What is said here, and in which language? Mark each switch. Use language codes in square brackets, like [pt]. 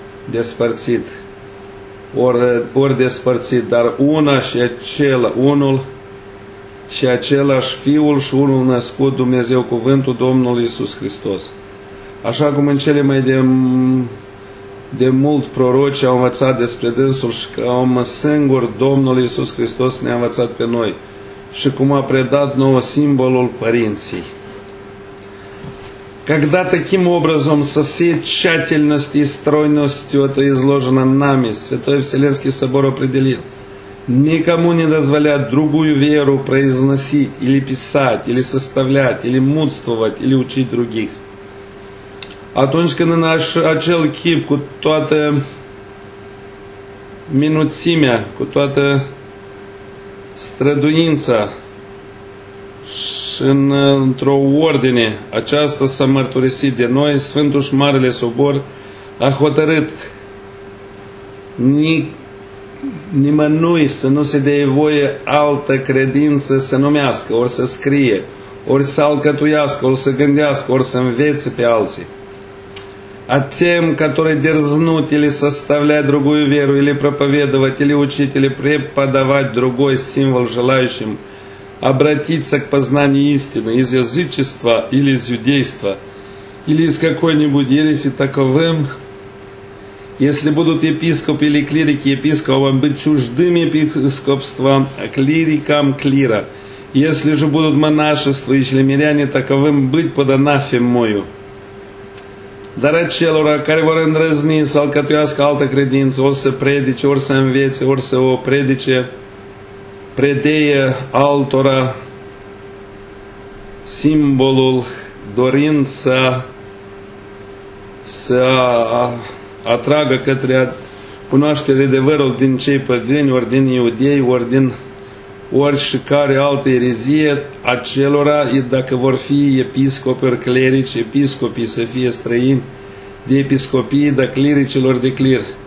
[ro] despărțit, ori despărțit, dar una și acela, unul și același Fiul și unul născut, Dumnezeu, Cuvântul, Domnul Iisus Hristos. Așa cum în cele mai de mult proroci au învățat despre Dânsul și că om singur, Domnul Iisus Hristos ne-a învățat pe noi și cum a predat nouă simbolul părinții. [ru] Когда таким образом со всей тщательностью и стройностью это изложено нами, Святой Вселенский Собор определил, никому не дозволять другую веру произносить, или писать, или составлять, или мудствовать, или учить других. [ro] Atunci când în acel chip, cu toată minuțimea, cu toată străduința și într-o ordine aceasta s-a mărturisit de noi, Sfântul și Marele Sobor a hotărât nimănui să nu se dea voie altă credință să numească, ori să scrie, ori să alcătuiască, ori să gândească, ori să învețe pe alții. [ru] А тем, которые дерзнут или составлять другую веру, или проповедовать, или учить, или преподавать другой символ желающим обратиться к познанию истины из язычества или из иудейства, или из какой-нибудь ереси таковым, если будут епископ или клирики епископом, быть чуждым епископством, клирикам клира, если же будут монашество или миряне таковым, быть под анафемою. [ro] Dar acelora care vor îndrăzni să alcătuiască altă credință, ori să predice, ori să învețe, ori să o predice, predeie altora simbolul, dorința să atragă către cunoaștere adevărul din cei păgâni, ori din iudei, ori din oricare altă erezie, acelora, dacă vor fi episcopi, ori clerici, episcopii să fie străini, de episcopii, de clericilor de clir.